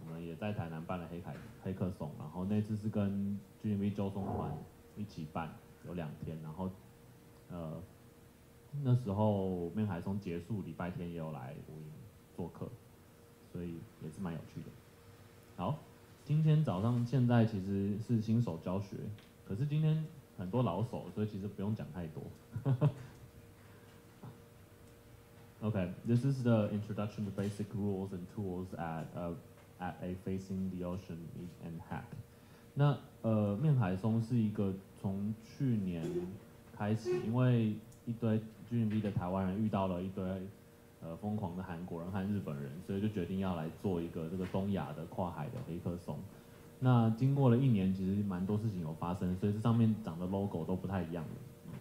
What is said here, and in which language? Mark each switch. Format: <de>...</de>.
<zh>也在台南办了黑客松，然后那次是跟 GMV 周松团一起办，有两天，然后那时候面海松结束，礼拜天也有来无影做客，所以也是蛮有趣的。好，今天早上现在其实是新手教学，可是今天很多老手，所以其实不用讲太多。</zh> <en>Okay, this is the introduction to basic rules and tools at a facing the ocean and hack.</en> <zh>那面海松是一个从去年开始，因为一堆 GMV 的台湾人遇到了一堆疯狂的韩国人和日本人，所以就决定要来做一个这个东亚的跨海的黑客松。那经过了一年，其实蛮多事情有发生，所以这上面长的 logo 都不太一样了。</zh>